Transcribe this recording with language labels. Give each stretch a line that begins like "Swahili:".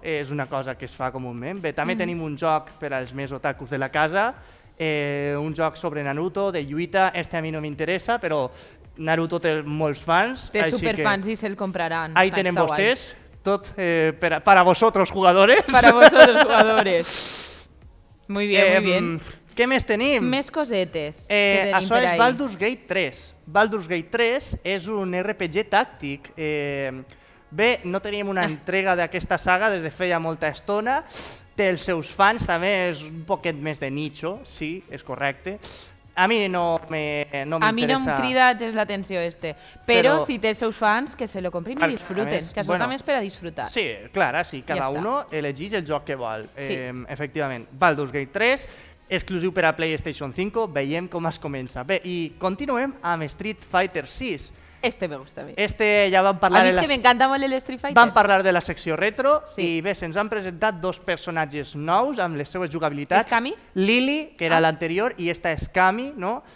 Catalan: És una cosa que es fa comúment. Bé, també tenim un joc per als més otakus de la casa, un joc sobre Naruto, de lluita, este a mi no m'interessa, però Naruto té molts fans. Té superfans i se'l compraran. Ahí tenen vostès, tot per a
Spanish: vosotros jugadores.
Catalan: Per a
Spanish: vosotros jugadores. Muy bien, muy bien.
Catalan: Què més tenim? Més cosetes. Això és Baldur's Gate 3. Baldur's Gate 3 és un RPG tàctic. Bé, no teníem una entrega d'aquesta saga des de feia molta estona. Té els seus fans, també és un poquet més de nicho, sí, és correcte.
Spanish: A mi no me no
Catalan: a mi no em crida gens l'atenció este, però si té els seus fans que se lo comprin i disfruten, que això també és per a disfrutar. Sí, clar, sí,
Spanish: cada uno
Catalan: elegeix el joc que vol. Efectivament, Baldur's Gate 3, exclusiu per a PlayStation 5, veiem com es comença. Bé, i continuem amb Street Fighter 6.
Spanish: Este me gusta bien. Este ya van a hablar de la... A mí es que me encanta mucho el Street Fighter. Van a hablar de la sección retro. Sí. Y ve, se nos han presentado dos personajes nuevos con las seves jugabilidades. ¿Scammy? Lily, que era l'anterior, y esta es Scammy, ¿no?